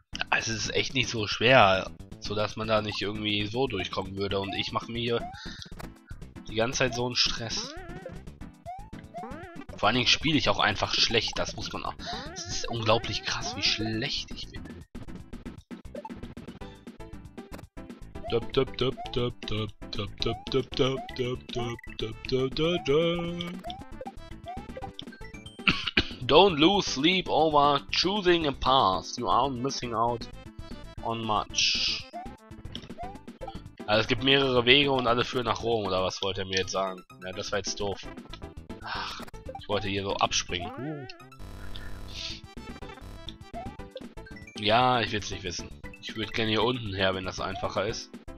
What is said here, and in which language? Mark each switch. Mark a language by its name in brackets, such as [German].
[German] Also es ist echt nicht so schwer, so dass man da nicht irgendwie so durchkommen würde. Und ich mache mir hier die ganze Zeit so einen Stress. Vor allen Dingen spiele ich auch einfach schlecht. Das muss man auch. Es ist unglaublich krass, wie schlecht ich bin. [English] Don't lose sleep over choosing a path. You are missing out on much. [German] Also es gibt mehrere Wege und alle führen nach Rom, oder was wollte er mir jetzt sagen? Ja, das war jetzt doof. Ach, ich wollte hier so abspringen. Ja, ich will es nicht wissen. Ich würde gerne hier unten her, wenn das einfacher ist.